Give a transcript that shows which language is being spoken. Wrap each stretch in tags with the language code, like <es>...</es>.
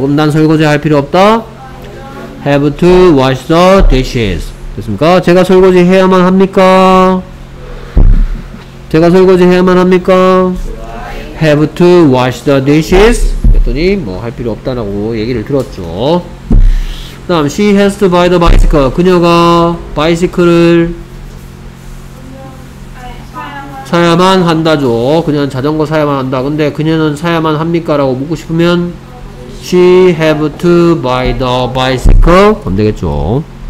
<ko>그럼 난 설거지 할 필요 없다?</ko> <en>Have to wash the dishes.</en> <ko>됐습니까? 제가 설거지 해야만 합니까? 제가 설거지 해야만 합니까?</ko> <en>Have to wash the dishes.</en> <ko>그랬더니 뭐 할 필요 없다라고 얘기를 들었죠. 그 다음</ko> <en>She has to buy the bicycle.</en> <ko>그녀가 바이시클을 사야만 한다죠. 그녀는 자전거 사야만 한다. 근데 그녀는 사야만 합니까? 라고 묻고 싶으면</ko> <en>She have to buy the bicycle</en> <ko>하면 되겠죠.</ko>